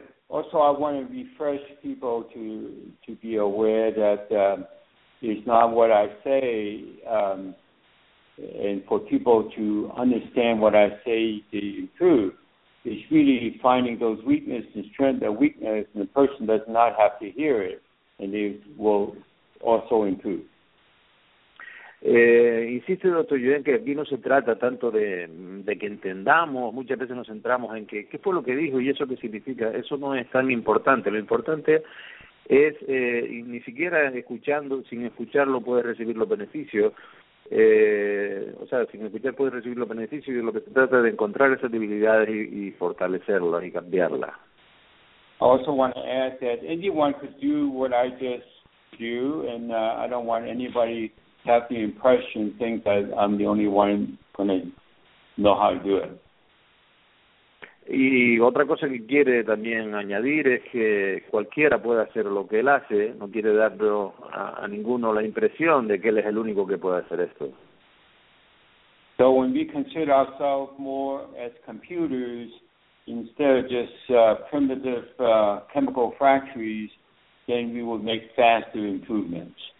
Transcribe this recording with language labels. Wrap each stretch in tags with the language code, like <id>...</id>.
<en>Also, I want to refresh people to be aware that it's not what I say, and for people to understand what I say to improve, it's really finding those weaknesses and strength, the weakness, and the person does not have to hear it, and they will also improve.</en> <es>Insiste, doctor Yuen, que aquí no se trata tanto de que entendamos, muchas veces nos centramos en que qué fue lo que dijo y eso qué significa, eso no es tan importante, lo importante es ni siquiera escuchando, sin escucharlo puedes recibir los beneficios, sin escuchar puedes recibir los beneficios, y lo que se trata es de encontrar esas debilidades y fortalecerlas y cambiarlas.</es> <en>I also want to add that anyone could do what I just do, and I don't want anybody have the impression, think that I'm the only one going to know how to do it.</en> <es>Y otra cosa que quiere también añadir es que cualquiera puede hacer lo que él hace, no quiere darlo a ninguno la impresión de que él es el único que puede hacer esto.</es> <en>So when we consider ourselves more as computers instead of just primitive chemical factories, then we will make faster improvements.</en>